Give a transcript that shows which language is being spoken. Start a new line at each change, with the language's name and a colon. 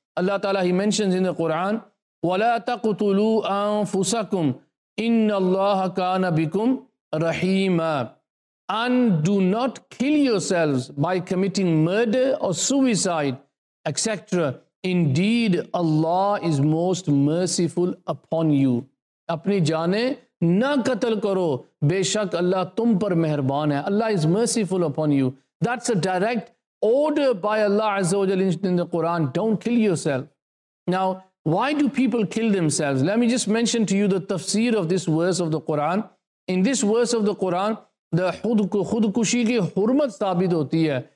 English: Allah Ta'ala, he mentions in the Quran,
Arabic: وَلَا تَقْتُلُوا أَنفُسَكُمْ إِنَّ اللَّهَ كَانَ بِكُمْ رَحِيمًا.
English: And do not kill yourselves by committing murder or suicide, etc. Indeed, Allah is most merciful upon you.
Urdu: اپنی جانے نہ قتل کرو بے شک اللہ تم پر مہربان ہے.
English: Allah is merciful upon you. That's a direct order by Allah Azza wa Jalla in the Quran. Don't kill yourself. Now, why do people kill themselves? Let me just mention to you the tafsir of this verse of the Quran. In this verse of the Quran, the
Urdu: khudkushi ki hurmat sabit hoti hai.